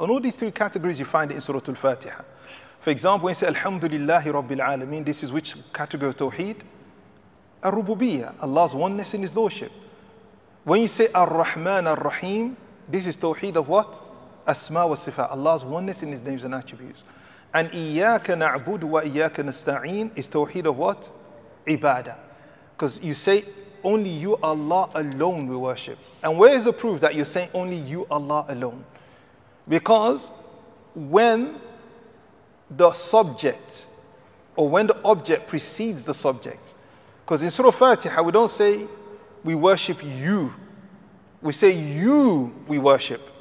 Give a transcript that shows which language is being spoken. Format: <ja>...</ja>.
<en>On all these three categories, you find it in Surah Al-Fatiha. For example, when you say Alhamdulillahi Rabbil Alameen, this is which category of Tawheed? الربوبية, Allah's oneness in His lordship. When you say</en> <ar>الرحمن الرحيم,</ar> <en>this is توحيد of what?</en> <ar>أسماء والصفات.</ar> <en>Allah's oneness in His names and attributes. And</en> <ar>إياك نعبد وإياك نستعين</ar> <en>is توحيد of what?</en> <ar>عبادة.</ar> <en>Because you say only you Allah alone we worship. And where is the proof that you're saying only you Allah alone? Because when the subject or when the object precedes the subject, because in Surah Fatiha we don't say we worship you, we say you we worship.</en>